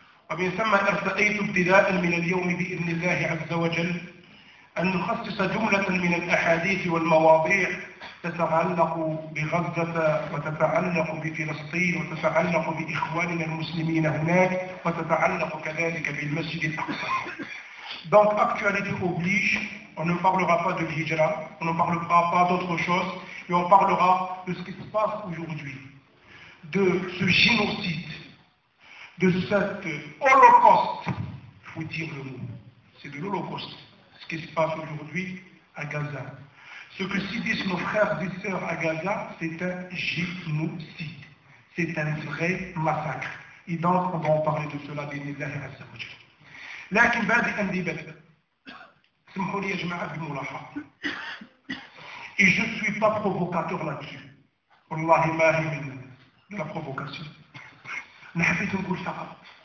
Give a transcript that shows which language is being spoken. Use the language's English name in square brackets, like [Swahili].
[Arabic] ومن ثم ارتقيت ابتداء من اليوم بإذن الله عز وجل أن نخصص جملة من الأحاديث والمواضيع تتعلق بغزة وتتعلق بفلسطين وتتعلق بإخواننا المسلمين هناك وتتعلق كذلك بالمسجد الأقصى. [French] Donc actualité oblige, on ne parlera pas de l'hijra, on ne parlera pas d'autre chose, et on parlera de ce qui se passe aujourd'hui, de ce génocide, de cet holocauste, il faut dire le mot, c'est de l'holocauste, ce qui se passe aujourd'hui à Gaza. Ce que subissent nos frères et sœurs à Gaza, c'est un génocide, c'est un vrai massacre. Et donc, on va en parler de cela, bien évidemment, à Saoudi. [Arabic] لكن بعد أن دبت سمحوا لي يا جماعة بملاحظة. [French] Et je ne suis pas provocateur là-dessus. [Arabic] والله ما هي من لا provocation. نحبيت نقول فقط.